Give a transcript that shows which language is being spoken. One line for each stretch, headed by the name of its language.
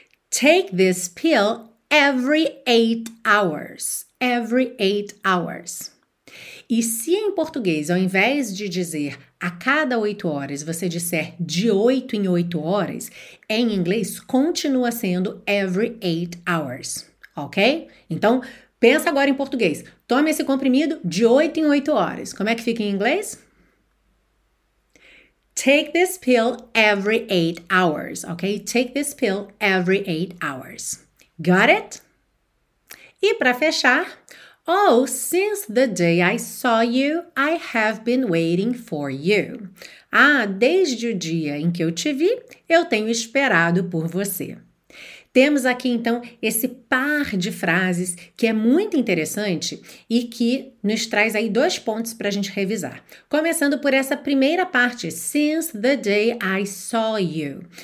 English: Take this pill every 8 hours. Every 8 hours.
Portuguese: E se em português, ao invés de dizer a cada 8 horas, você disser de 8 em 8 horas, em inglês continua sendo
English: every 8 hours.
Portuguese: Ok? Então, pensa agora em português. Tome esse comprimido de 8 em 8 horas. Como é que fica em inglês?
English: Take this pill every 8 hours, ok? Take this pill every 8 hours. Got it?
Portuguese: E para fechar,
English: oh, since the day I saw you, I have been waiting for you.
Portuguese: Ah, desde o dia em que eu te vi, eu tenho esperado por você. Temos aqui então esse par de frases que é muito interessante e que nos traz aí 2 pontos para a gente revisar. Começando por essa primeira parte,
English: since the day I saw you.